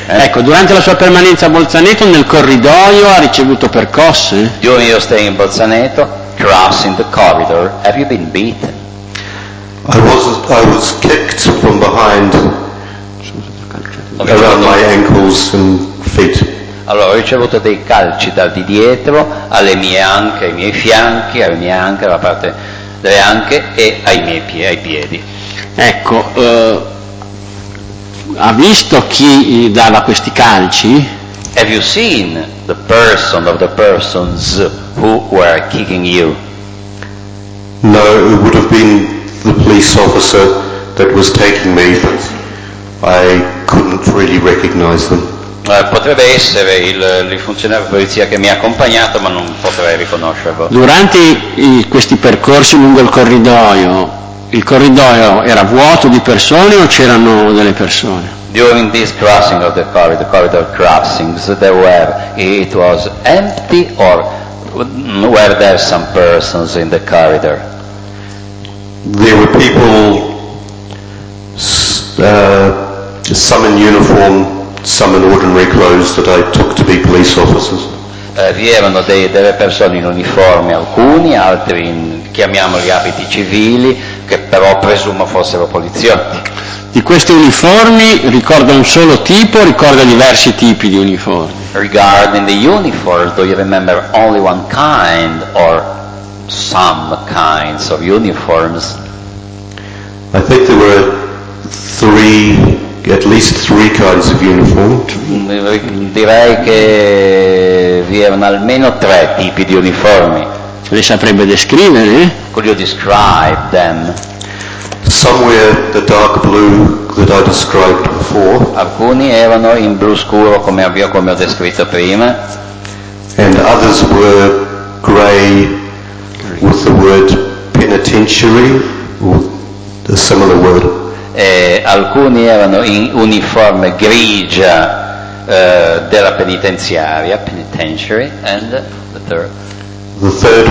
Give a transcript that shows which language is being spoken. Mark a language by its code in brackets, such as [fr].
[it] Ecco, durante la sua permanenza a Bolzaneto nel corridoio ha ricevuto percosse? [en] During your stay in Bolzaneto, crossing the corridor, have you been beaten? I was kicked from behind around my ankles and feet. [it] Allora, ho ricevuto dei calci dal di dietro alle mie anche, ai miei fianchi, alle mie anche, alla parte delle anche e ai piedi. Ecco, ha visto chi dava questi calci? [en] Have you seen the person of the persons who were kicking you? No, it would have been the police officer that was taking me. I couldn't really recognize them. [it] Potrebbe essere il funzionario di polizia che mi ha accompagnato, ma non potrei riconoscerlo. Durante questi percorsi lungo il corridoio era vuoto di persone o c'erano delle persone? [en] During this crossing of the corridor crossings, there were it was empty or were there some persons in the corridor? There were people, some in uniform, some in ordinary clothes that I took to be police officers. [it] Vi erano delle persone in uniforme, alcuni, altri in, chiamiamoli, abiti civili, che però presumo fossero poliziotti. Di questi uniformi ricorda un solo tipo o ricorda diversi tipi di uniformi? [en] Regarding the uniforms, do you remember only one kind or some kinds of uniforms? I think there were three, at least three kinds of uniform. [it] Direi che vi erano almeno tre tipi di uniformi. Le saprebbe descrivere? [en] Could you describe them? Somewhere the dark blue that I described before. [it] Alcuni erano in blu scuro come ho descritto prima. [en] And others were grey with the word penitentiary, or a similar word. [it] alcuni erano in uniforme grigia della penitenziaria, [en] penitentiary, and the third